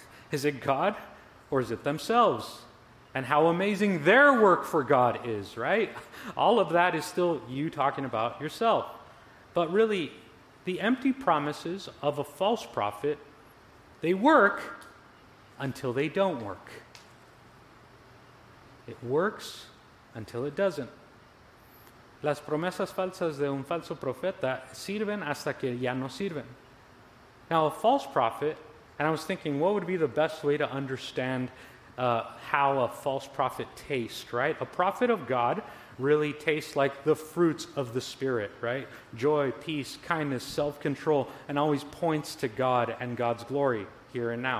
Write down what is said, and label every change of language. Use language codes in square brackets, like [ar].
[en] Is it God or is it themselves? And how amazing their work for God is, right? All of that is still you talking about yourself. But really, the empty promises of a false prophet, they work until they don't work. It works until it doesn't. [es] Las promesas falsas de un falso profeta sirven hasta que ya no sirven. [en] Now, a false prophet, and I was thinking, what would be the best way to understand how a false prophet tastes, right? A prophet of God really tastes like the fruits of the Spirit, right? Joy, peace, kindness, self-control, and always points to God and God's glory here and now.